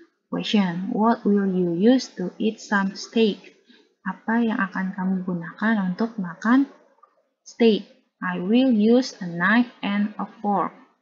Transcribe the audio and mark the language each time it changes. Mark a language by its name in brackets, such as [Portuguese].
[English] Question, what will you use to eat some steak? [Indonesian] Apa yang akan kamu gunakan untuk makan steak? [English] I will use a knife and a fork.